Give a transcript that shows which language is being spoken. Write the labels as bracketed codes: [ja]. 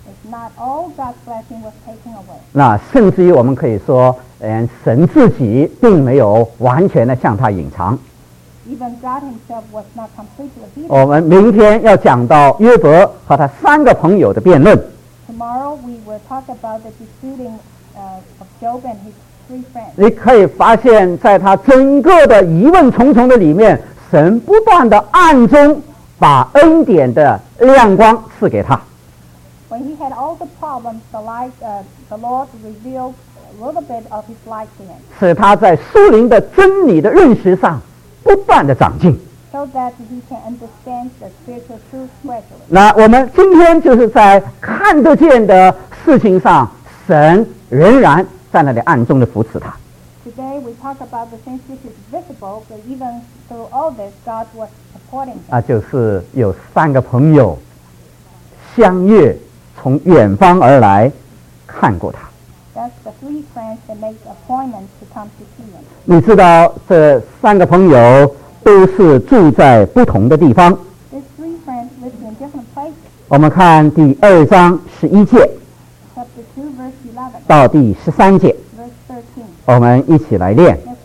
[en] Not all God's blessing was taken away. [zh] 那甚至于我们可以说，连神自己并没有完全的向他隐藏。 [en] Even God himself was not completely hidden. [zh] 我们明天要讲到约伯和他三个朋友的辩论。 [en] Tomorrow we will talk about the disputing of Job and his three friends. [zh] 你可以发现，在他整个的疑问重重的里面。神不断地暗中把恩典的亮光赐给他。 [en] When he had all the problems, the light, the Lord revealed a little bit of his light to him. [zh] 使他在属灵的真理的认识上不断地长进。 [en] So that he can understand the spiritual truth gradually. [zh] 那我们今天就是在看得见的事情上，神仍然在那里暗中地扶持他。 [en] Today we talk about the things which is visible, but even through all this, God was supporting him. [zh] 那就是有三个朋友相约从远方而来看过他。 [en] That's the three friends that make appointments to come to see him. [zh] 你知道这三个朋友都是住在不同的地方。 [en] These three friends live in different places. [zh] 我们看第二章十一节 [en] Chapter 2 verse 11 [zh] 到第十三节，我们一起来念。